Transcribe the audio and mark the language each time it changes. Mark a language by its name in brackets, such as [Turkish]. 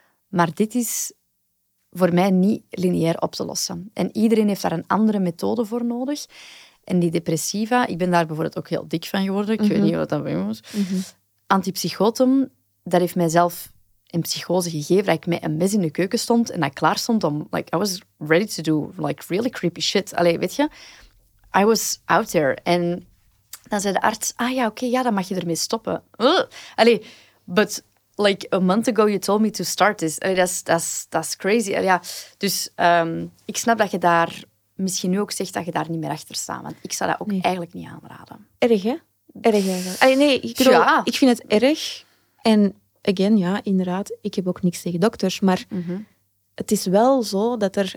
[Dutch] Maar dit is voor mij niet lineair op te lossen. En iedereen heeft daar een andere methode voor nodig. En die depressiva, ik ben daar bijvoorbeeld ook heel dik van geworden. Ik weet niet wat dat bij me was. Mm-hmm. Antipsychotum, dat heeft mijzelf een psychose gegeven. Dat ik met een mes in de keuken stond en dat ik klaar stond om... [English] Like, I was ready to do like really creepy shit. [Dutch] Allee, weet je? [English] I was out there. [Dutch] En dan zei de arts, dan mag je ermee stoppen. [English] Allee, but like a month ago you told me to start this. [Dutch] Allee, [English] that's crazy. [Dutch] Allee, ja. Dus ik snap dat je daar... Misschien nu ook zegt dat je daar niet meer achter staat. Want ik zou dat ook eigenlijk niet aanraden. Erg, hè? Erg eigenlijk. Nee, ik vind het erg. En again, ja, inderdaad, ik heb ook niks tegen dokters. Maar het is wel zo dat er...